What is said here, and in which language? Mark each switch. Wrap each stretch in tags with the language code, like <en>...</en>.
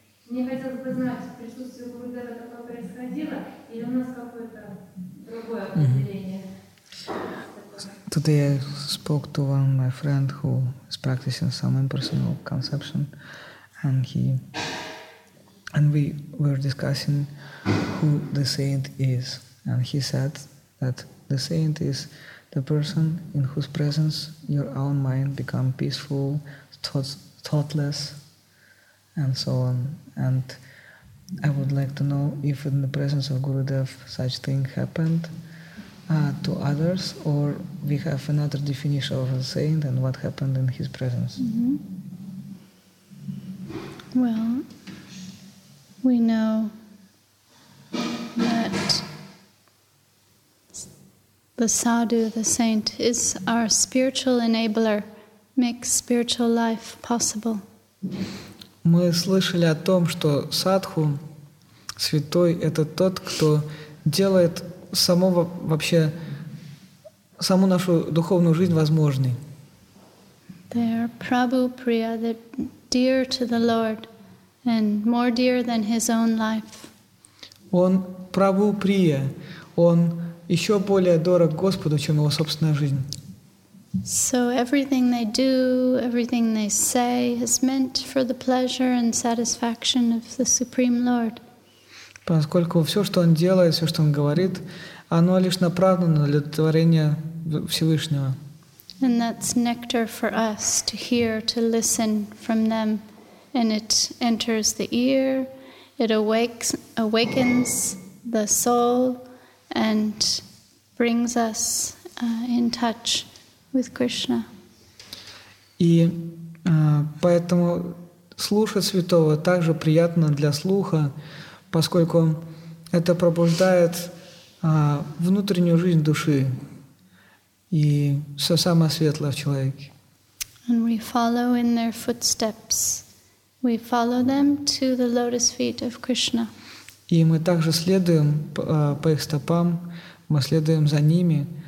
<ru>Мне хотелось бы знать, в присутствии Гурудева такое происходило, или у нас какое-то другое определение?</ru> <en>Today I spoke to one of my friend who is practicing some impersonal conception, and we were discussing who the saint is, and he said that the saint is the person in whose presence your own mind become peaceful, thoughtless, and so on. And I would like to know if in the presence of Gurudev such thing happened to others, or we have another definition of a saint and what happened in his presence. Mm-hmm. Well, we know that the sadhu, the saint, is our spiritual enabler, makes spiritual life possible.</en> <ru>Мы слышали о том, что садху, святой, это тот, кто делает само вообще саму нашу духовную жизнь возможной.</ru> <en>They are Prabhu Priya, dear to the Lord, and more dear than his own life.</en> <ru>Он Прабху Прия, он еще более дорог Господу, чем его собственная жизнь.</ru> <en>So everything they do, everything they say is meant for the pleasure and satisfaction of the Supreme Lord.</en> <ru>Поскольку все, что он делает, все, что он говорит, оно лишь направлено для удовлетворения Всевышнего.</ru> <en>And that's nectar for us to hear, to listen from them. And it enters the ear, it awakens the soul and brings us in touch with Krishna.</en> <ru>И поэтому слушать святого также приятно для слуха, поскольку это пробуждает внутреннюю жизнь души и все самое светлое в человеке.</ru> <en>And we follow in their footsteps. We follow them to the lotus feet of Krishna.</en> <ru>И мы также следуем по их стопам, мы следуем за ними,</ru>